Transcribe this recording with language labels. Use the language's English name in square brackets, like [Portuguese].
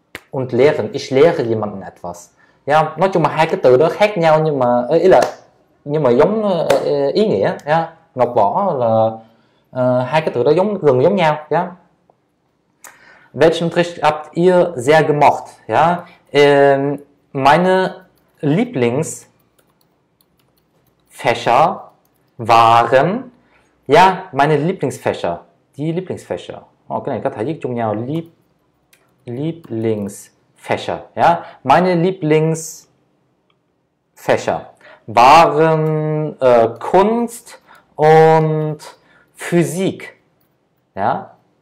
[German] Und lehren, ich lehre jemanden etwas. [Vietnamese] Ja, nói chung là hai cái từ đó khác nhau nhưng mà ý là nhưng mà giống ý nghĩa nha. Ngọc Võ là hai cái từ đó giống gần giống nhau nha. [German] Welchen Unterricht habt ihr sehr gemocht? Ja, meine Lieblingsfächer waren, ja, meine Lieblingsfächer, die Lieblingsfächer. [Vietnamese] Okay, cái thể viết chung nhau Lieblingsfächer, ja, [German] meine Lieblingsfächer waren Kunst und Physik. [Vietnamese] Ja?